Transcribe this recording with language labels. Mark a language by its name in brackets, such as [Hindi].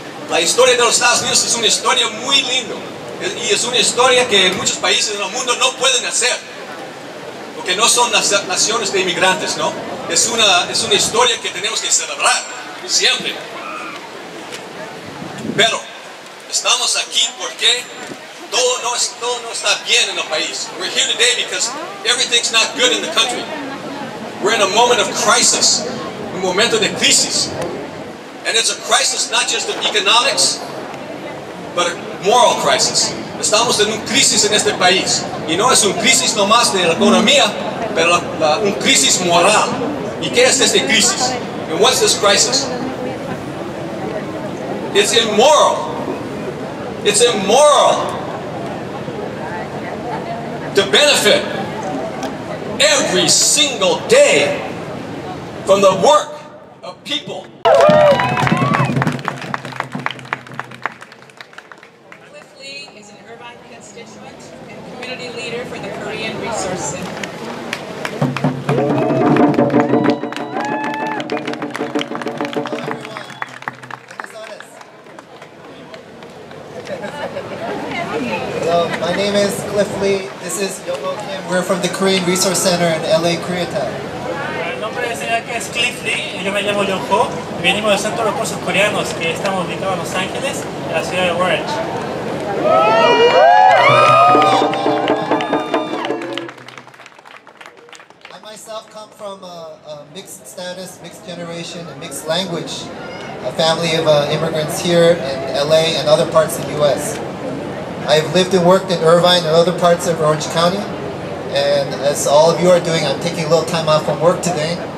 [Spanish] La historia de los Estados Unidos es una historia muy linda y es una historia que muchos países en el mundo no pueden hacer porque no son naciones de inmigrantes, ¿no? Es una historia que tenemos que celebrar siempre. Pero estamos aquí porque todo no está bien en el país. [English] We're here today because everything's not good in the country. We're in a moment of crisis, [Spanish] un momento de crisis. [English] And it's a crisis not just of economics, but a moral crisis. [Spanish] Estamos en un crisis en este país. Y no es un crisis nomás de la economía, pero un crisis moral. ¿Y qué es este crisis? [English] And what's this crisis? It's immoral. It's immoral to benefit every single day from the work of people. Cliff Lee is an Irvine constituent and community leader for the Korean Resource Center. Hello everyone. Hello, my name is Cliff Lee. This is Yoko Kim. We're from the Korean Resource Center in LA, Koreatown. [Spanish] Es Cliff Lee, yo me llamo John Ho, venimos del Centro de Recursos Coreanos que estamos ubicados en Los Ángeles, en la ciudad de Orange. [English] I myself come from a mixed status, mixed generation, and mixed language, a family of immigrants here in LA and other parts of the US. I've lived and worked in Irvine and other parts of Orange County, and as all of you are doing, I'm taking a little time off from work today.